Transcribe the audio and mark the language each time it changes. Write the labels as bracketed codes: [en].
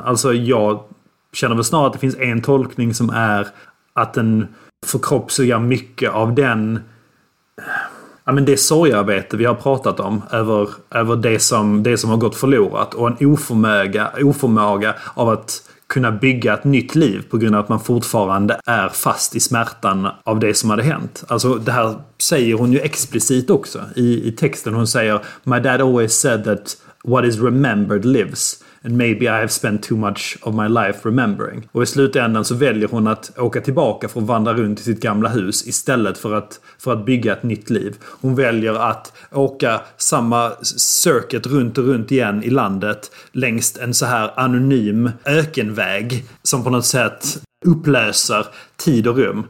[sv] Alltså jag känner väl snarare att det finns en tolkning som är att den förkroppsligar mycket av den, ja, men det sorgarbete vi har pratat om över det som har gått förlorat, och en oförmåga av att kunna bygga ett nytt liv på grund av att man fortfarande är fast i smärtan av det som hade hänt. Alltså det här säger hon ju explicit också i texten. Hon säger, [en] my dad always said that what is remembered lives, and maybe I have spent too much of my life remembering. [sv] Och i slutändan så väljer hon att åka tillbaka för att vandra runt i sitt gamla hus istället för att bygga ett nytt liv. Hon väljer att åka samma circuit runt och runt igen i landet längs en så här anonym ökenväg som på något sätt upplöser tid och rum.